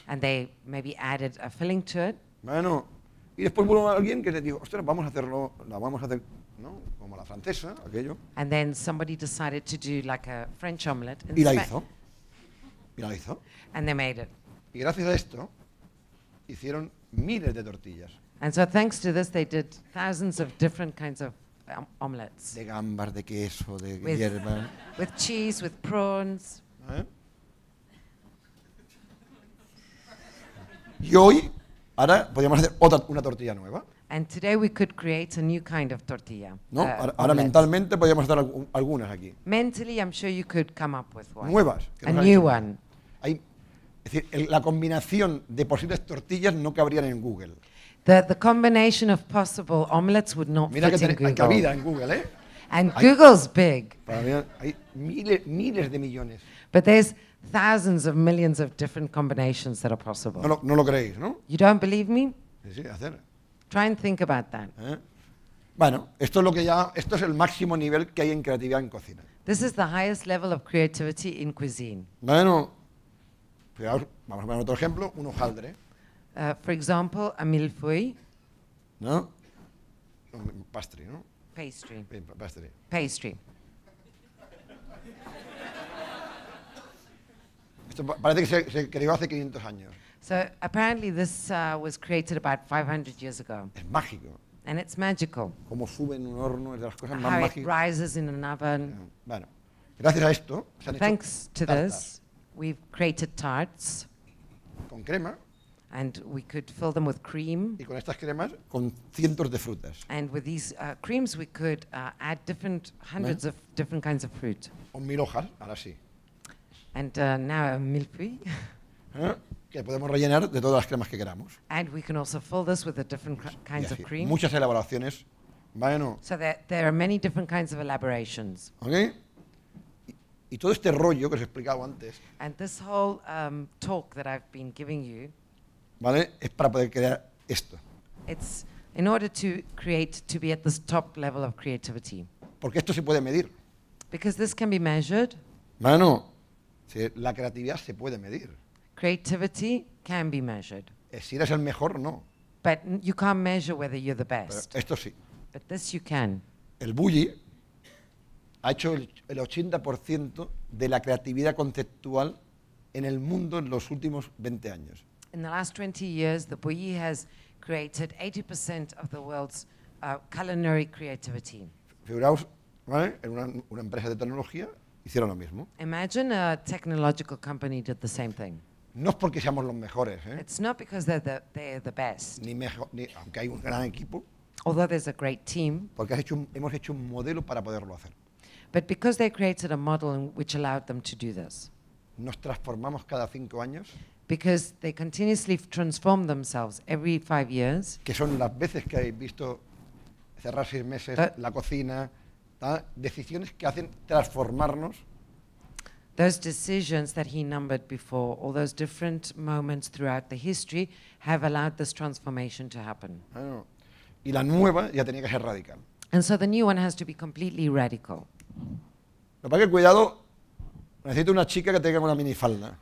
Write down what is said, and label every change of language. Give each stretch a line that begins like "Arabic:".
English: And they maybe added a filling to it.
Spanish: Bueno, y después vino alguien que le dijo, ostras, vamos a hacerlo, la vamos a hacer, ¿no? Como la francesa, aquello.
English: And then somebody decided to do like a French omelette.
Spanish: Y la hizo. Y la hizo.
English: And they made it.
Spanish: Y gracias a esto, hicieron miles de tortillas.
English: And so thanks to this, they did thousands of different kinds of omelettes.
Spanish: De gambas, de queso, de hierba.
English: With cheese, with prawns.
Spanish: ¿Eh? Y hoy, ahora podríamos hacer otra una tortilla nueva.
English: And today we could create a new kind of tortilla.
Spanish: No, ahora mentalmente podríamos hacer algunas aquí.
English: Mentally, I'm sure you could come up with one.
Spanish: Nuevas.
English: A new one.
Spanish: Hay, es decir, la combinación de posibles tortillas no cabrían en Google.
English: The combination of possible omelets would not
Spanish: mira
English: fit in Google.
Spanish: Mira que hay cabida en Google, ¿eh?
English: And Google's big.
Spanish: Para mí hay miles de millones.
English: But there's thousands of millions of different combinations that are possible.
Spanish: No lo creéis, ¿no?
English: You don't believe me?
Spanish: Sí, hacer.
English: Try and think about that. ¿Eh?
Spanish: Bueno, esto es lo que ya, esto es el máximo nivel que hay en creatividad en cocina.
English: This is the highest level of creativity in cuisine.
Spanish: Bueno, fijaos, vamos a poner otro ejemplo, un hojaldre.
English: For example, a millefeuille.
Spanish: ¿No?
English: Pastry,
Spanish: ¿no?
English: Pastry. Pastry. Pastry.
Spanish: Esto parece que se creó hace 500 años.
English: So apparently this was created about 500 years ago.
Spanish: Es mágico.
English: And it's magical.
Spanish: Como sube en un horno, es de las cosas más mágicas.
English: How it rises in an oven.
Spanish: Bueno, gracias a esto,
English: thanks to this, we've created tarts.
Spanish: Con crema.
English: And we could fill them with cream.
Spanish: Y con estas cremas, con cientos de frutas.
English: And with these creams, we could add different hundreds of different kinds of fruit.
Spanish: O mil hojas, ahora sí.
English: And now a millefeuille.
Spanish: Que podemos rellenar de todas las cremas que queramos.
English: And we can also fill this with the different kinds of cream.
Spanish: Muchas elaboraciones. Bueno.
English: So there are many different kinds of elaborations.
Spanish: Okay. Y todo este rollo que os he explicado antes.
English: And this whole talk that I've been giving you.
Spanish: Vale, es para poder crear esto.
English: It's in order to create, to be at this top level of creativity.
Spanish: Porque esto se puede medir.
English: Because this can be measured.
Spanish: Bueno, si la creatividad se puede medir.
English: Creativity can be measured.
Spanish: Si eres el mejor, no.
English: But you can't measure whether you're the best.
Spanish: Pero esto sí.
English: But this you can.
Spanish: El Bulli ha hecho el 80% de la creatividad conceptual en el mundo en los últimos 20 años.
English: In the last 20 years, the Bulli has created 80% of the world's culinary creativity.
Spanish: Figuraos, ¿vale? En una empresa de tecnología hicieron lo mismo.
English: Imagine a technological company did the same thing.
Spanish: No es porque seamos los mejores, ¿eh?
English: It's not because they're the best.
Spanish: Ni aunque hay un gran equipo.
English: Although there's a great team.
Spanish: Porque hemos hecho un modelo para poderlo hacer.
English: But because they created a model which allowed them to do this.
Spanish: Nos transformamos cada 5 años.
English: Because they continuously transform themselves every 5 years.
Spanish: Que son las veces que habéis visto cerrar 6 meses la cocina, ¿tá? Decisiones que hacen transformarnos.
English: Those decisions that he numbered before, all those different moments throughout the history, have allowed this transformation to happen.
Spanish: Y la nueva ya tenía que ser radical.
English: And so the new one has to be completely radical.
Spanish: Pero para que cuidado, necesito una chica que tenga una minifalda.